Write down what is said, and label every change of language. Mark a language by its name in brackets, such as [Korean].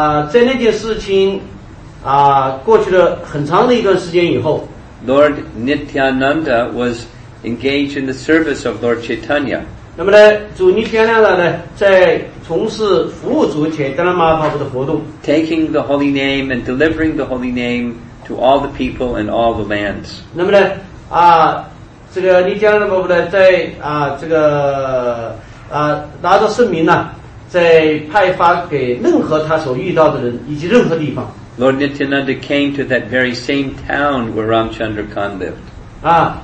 [Chinese] 在那件事情过去了很长的一段时间以后。 [English] Lord Nityananda was engaged in the service of Lord Chaitanya. [Chinese] 那么呢，主尼天亮呢，在从事服务主铁达拉玛巴布的活动， [English] taking the holy name and delivering the holy name to all the people and all the lands. [Chinese] 那么呢，这个尼天亮呢，在拿着圣名呢，在派发给任何他所遇到的人以及任何地方。 [English] Lord Nityananda came to that very same town where Ramchandra Khan lived.